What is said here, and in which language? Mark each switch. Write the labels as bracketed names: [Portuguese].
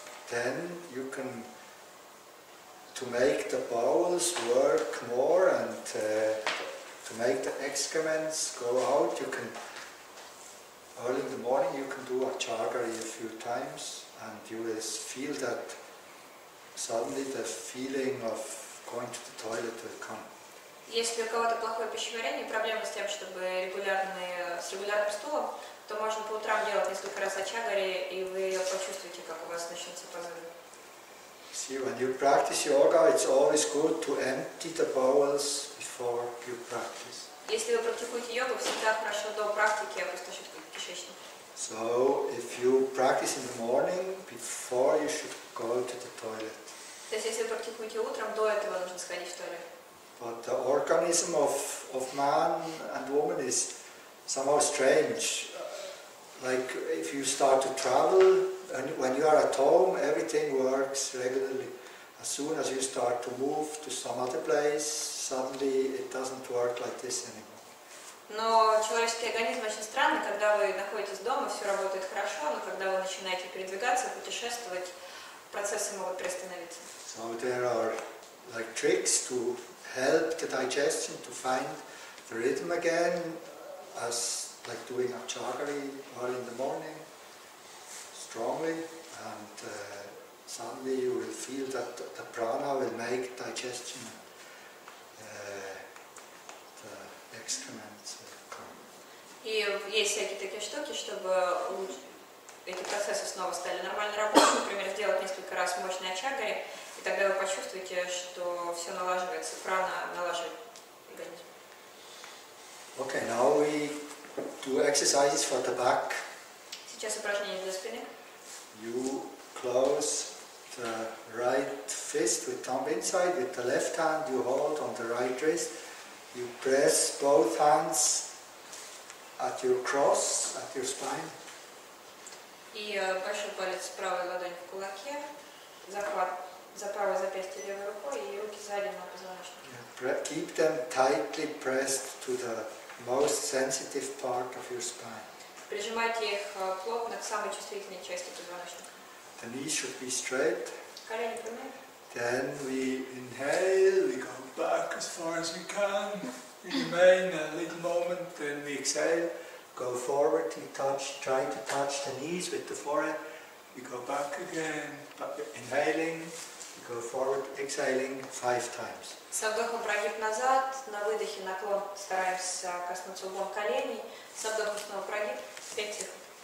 [English] then you can to make the bowels work more and to make the excrements go out, you can early in the morning you can do a chagari a few times and you will feel that suddenly the feeling of going to the toilet will come. [Russian] Если у кого-то плохое пищеварение, проблемы с тем, чтобы с регулярным стулом, то можно по утрам делать несколько раз ачагари, и вы почувствуете, как у вас начнется позыв. [English] See, when you practice yoga, it's always good to empty the bowels before you practice. [Russian] Если вы практикуете йогу, всегда хорошо до практики опустошить кишечник. [English] So, if you practice in the morning, before you should go to the toilet. [Russian] То есть, если вы практикуете утром, до этого нужно сходить в туалет. [English] But the organism of man and woman is somehow strange. Like if you start to travel, and when you are at home, everything works regularly. As soon as you start to move to some other place, suddenly it doesn't work like this anymore. [Russian] Но человеческий организм очень странный. Когда вы находитесь дома, все работает хорошо, но когда вы начинаете передвигаться, путешествовать, процессы могут приостановиться. [English] So there are like tricks to help the digestion to find the rhythm again, as like doing a chagari early in the morning, strongly, and suddenly you will feel that the prana will make digestion, the excrements will come. [Russian] И есть всякие такие штуки, чтобы эти процессы снова стали нормально работать, например, сделать несколько раз мощное чагари. Тогда вы почувствуете, что все налаживается, прана налаживает организм. [English] Okay, now we do exercises for the back. [Russian] Сейчас упражнение для спины. [English] You close the right fist with thumb inside, with the left hand you hold on the right wrist. You press both hands at your cross, at your spine. [Russian] И большой палец правой ладони в кулаке. Захват. За правое запястье левой рукой и руки сзади на позвоночнике. [English] Yeah, keep them tightly pressed to the most sensitive part of your spine. [Russian] Прижимайте их плотно к самой чувствительной части позвоночника. [English] The knees should be straight. [Russian] Колени прямые. [English] Then we inhale, we go back as far as we can. We remain a little moment, then we exhale. Go forward, we touch, try to touch the knees with the forehead. We go back again, inhaling. Go forward, exhaling five times. [Russian] Со вдохом прогиб назад, на выдохе наклон, стараемся коснуться лбом коленей. Со вдохом снова прогиб, пять циклов.